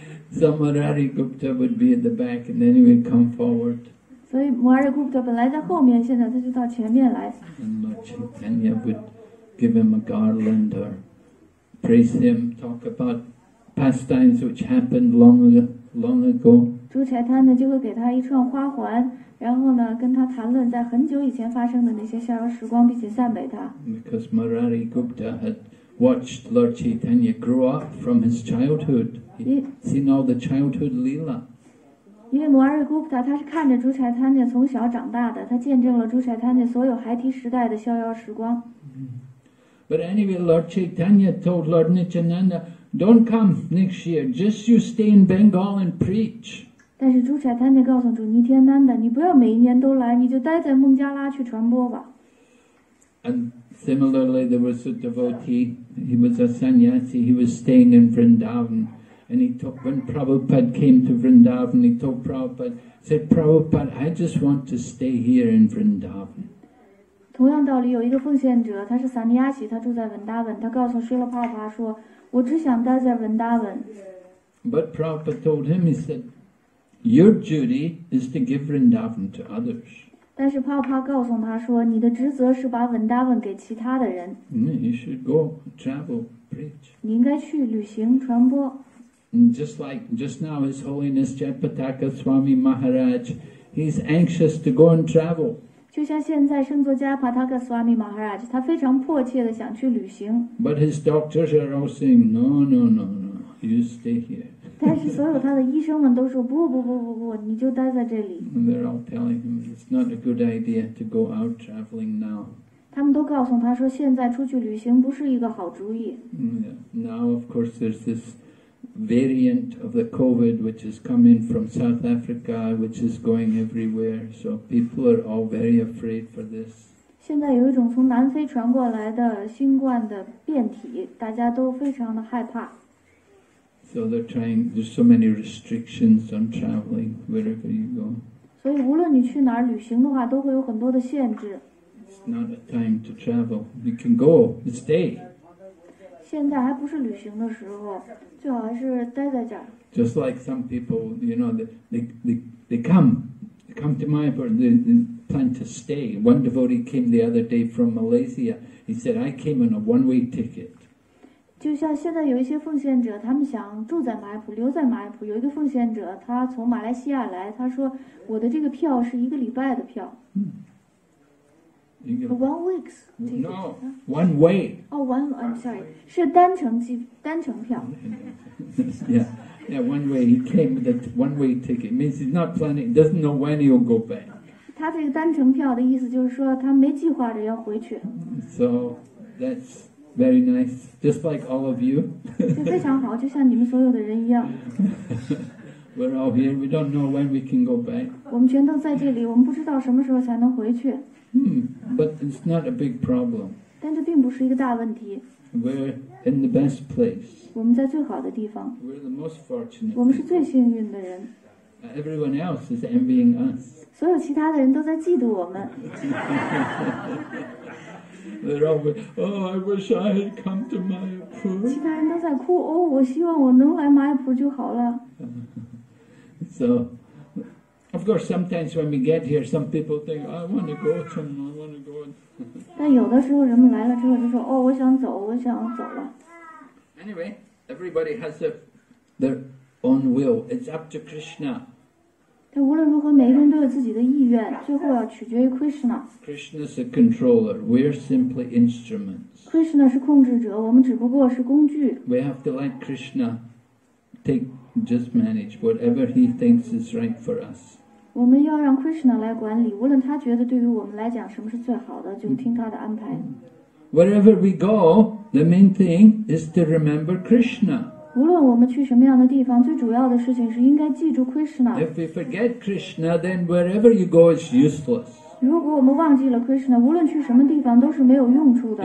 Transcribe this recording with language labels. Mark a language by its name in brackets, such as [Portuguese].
[English] So Murari Gupta would be in the back and then he would come forward. [Chinese] 所以 Murari Gupta 本来在后面，现在他就到前面来。 [English] And Lord Chaitanya would give him a garland or praise him, talk aboutpastimes which happened long ago. [Chinese] 主柴坦涅就会给他一串花环，然后呢，跟他谈论在很久以前发生的那些逍遥时光，并且赞美他。 [English] Because Murari Gupta had watched Lord Chaitanya grow up from his childhood, he'd seen all the childhood lila. [Chinese] 因为 Murari Gupta 他是看着主柴坦涅从小长大的，他见证了主柴坦涅所有孩提时代的逍遥时光。 [English] But anyway, Lord Chaitanya told Lord Nityananda. Don't come next year. Just you stay in Bengal and preach. [Chinese] 但是主柴坦涅告诉主尼天南的，你不要每一年都来，你就待在孟加拉去传播吧。 [English] And similarly, there was a devotee. He was a sannyasi. He was staying in Vrindavan, and he took when Prabhupada came to Vrindavan, he told Prabhupada, said Prabhupada, I just want to stay here in Vrindavan. [Chinese] 同样道理，有一个奉献者，他是sannyasi，他住在文达文，他告诉舍勒帕帕说。我只想待在文达文。 [English] But Prabhupada told him, he said, "Your duty is to give Vrindavan to others." [Chinese] 但是帕帕告诉他说，你的职责是把文达文给其他的人。 [English] You should go travel, preach. [Chinese] 你应该去旅行传播。 [English] Just like just now, His Holiness Jayapataka Swami Maharaj, he's anxious to go and travel. [Chinese] 就像现在圣座迦帕塔克斯瓦米马哈拉吉，他非常迫切的想去旅行。 [English] But his doctors are all saying, "No, no, no, no. you stay here. [Chinese] 但是所有他的医生们都说不不不不不，你就待在这里。 [English] And they're all telling him it's not a good idea to go out traveling now. [Chinese] 他们都告诉他说现在出去旅行不是一个好主意。 [English] Now of course there's this variant of the COVID which is coming from South Africa which is going everywhere. So people are all very afraid for this. [Chinese] 现在有一种从南非传过来的新冠的变体，大家都非常的害怕。 [English] So they're trying. There's so many restrictions on traveling wherever you go. [Chinese] 所以无论你去哪儿旅行的话，都会有很多的限制。 [English] It's not a time to travel. You can go. Stay. [Chinese] 现在还不是旅行的时候，最好还是待在家。 [English] Just like some people, you know, they come. Come to Mayapur, they plan to stay. One devotee came the other day from Malaysia. He said, I came on a one-way ticket. [Chinese] 就像现在有一些奉献者，他们想住在马来普，留在马来普。有一个奉献者，他从马来西亚来，他说，我的这个票是一个礼拜的票。 [English] 1 week's ticket. No, one way. Oh, one, I'm sorry. [Chinese] 是单程票。 [English] Yeah. Yeah, one way, he came with a one-way ticket. Means he's not planning, doesn't know when he'll go back. [Chinese] 他这个单程票的意思就是说他没计划着要回去。 [English] So, that's very nice, just like all of you. [Chinese] 就非常好，就像你们所有的人一样。 [English] We're all here, we don't know when we can go back. [Chinese] 我们全都在这里，我们不知道什么时候才能回去。 [English] But it's not a big problem. [Chinese] 但这并不是一个大问题。 [English] We're in the best place. [Chinese] 我们在最好的地方。 [English] We're the most fortunate. [Chinese] 我们是最幸运的人。 [English] Everyone else is envying us. [Chinese] 所有其他的人都在嫉妒我们。 [English] They're all going, oh, I wish I had come to Mayapur. [Chinese] 其他人都在哭，哦，我希望我能来马来普就好了。 [English] So, of course, sometimes when we get here, some people think, I want to go to Mayapur. [Chinese] 但有的时候人们来了之后就说哦，我想走，我想走了。 [English] Anyway, everybody has their own will. It's up to Krishna. [Chinese] 但无论如何，每个人都有自己的意愿，最后要取决于 Krishna. [English] Krishna's a controller. We're simply instruments. [Chinese] Krishna 是控制者，我们只不过是工具。 [English] We have to let Krishna take, just manage whatever he thinks is right for us. [Chinese] 我们要让 Krishna 来管理，无论他觉得对于我们来讲什么是最好的，就听他的安排。 [English] Wherever we go, the main thing is to remember Krishna. [Chinese] 无论我们去什么样的地方，最主要的事情是应该记住 Krishna. [English] If we forget Krishna, then wherever you go is useless. [Chinese] 如果我们忘记了 Krishna, 无论去什么地方都是没有用处的。